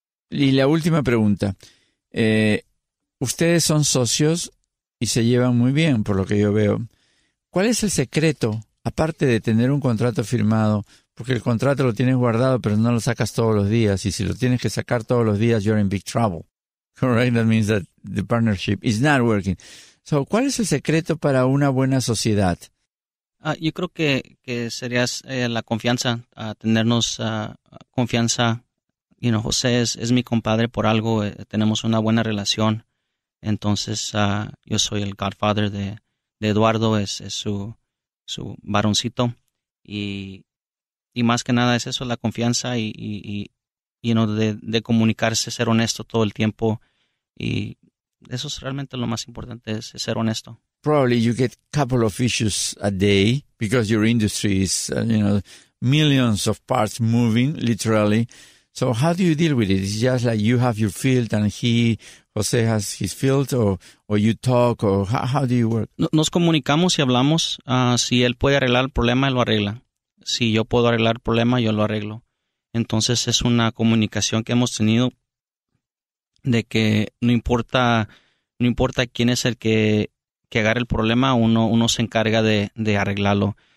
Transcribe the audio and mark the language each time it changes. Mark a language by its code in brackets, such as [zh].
[es] Y la última pregunta, ustedes son socios y se llevan muy bien, por lo que yo veo. ¿Cuál es el secreto, aparte de tener un contrato firmado, porque el contrato lo tienes guardado, pero no lo sacas todos los días, y si lo tienes que sacar todos los días, [en] you're in big trouble, correct? That means that the partnership is not working. [es] So, ¿cuál es el secreto para una buena sociedad? Yo creo que sería la confianza, tenernos confianza. You know, José es mi compadre por algo. Tenemos una buena relación. Entonces, yo soy el godfather de Eduardo. Es su varoncito. Y más que nada es eso, la confianza y you know, de comunicarse, ser honesto todo el tiempo. Y eso es realmente lo más importante, es ser honesto. [en] Probably you get a couple of issues a day because your industry is, you know, millions of parts moving, literally. So how do you deal with it? Is it just like you have your field and he, Jose, has his field, or you talk, or how do you work? [es] Nos comunicamos y hablamos. Si él puede arreglar el problema, él lo arregla. Si yo puedo arreglar el problema, yo lo arreglo. Entonces es una comunicación que hemos tenido de que no importa quién es el que agarre el problema, uno se encarga de arreglarlo.